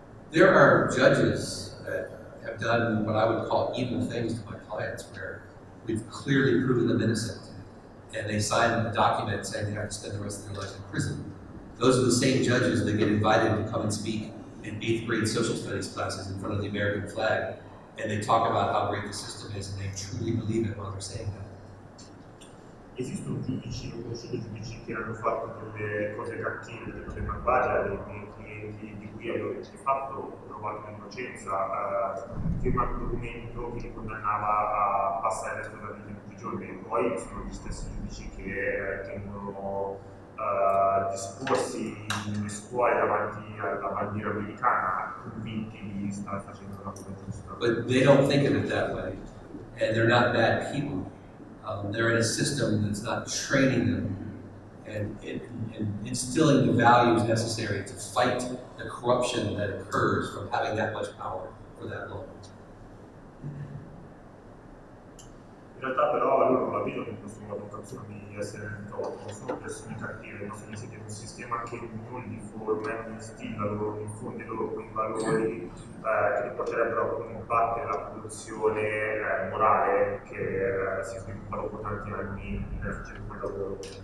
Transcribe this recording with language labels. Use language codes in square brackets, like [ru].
[en] There are judges that have done what I would call evil things to my clients, where we've clearly proven them innocent, and they sign a document saying they have to spend the rest of their life in prison. Those are the same judges that get invited to come and speak in eighth grade social studies classes in front of the American flag, and they talk about how great the system is, and they truly believe it while they're saying that. [it] Esistono giudici, non conosciuto giudici che hanno fatto delle cose cattive, delle cose malvagie, dei miei clienti di cui avevo di fatto provato l'innocenza, firmato un documento che li condannava a passare il resto della vita in prigione, e poi sono gli stessi giudici che tengono discorsi nelle scuole davanti alla bandiera americana, convinti di stare facendo una cosa giusta. [en] But they don't think of it that way, and they're not bad people. They're in a system that's not training them and instilling the values necessary to fight the corruption that occurs from having that much power for that long. [it] In realtà però loro non la vedono in questo modo, pensano di essere nel torto, non sono persone cattive, ma sono inseriti in un sistema che non li forma, non instilla loro, non infonde loro quei valori che potrebbero combattere la produzione morale che si sviluppa dopo tanti anni nel facendo quel lavoro.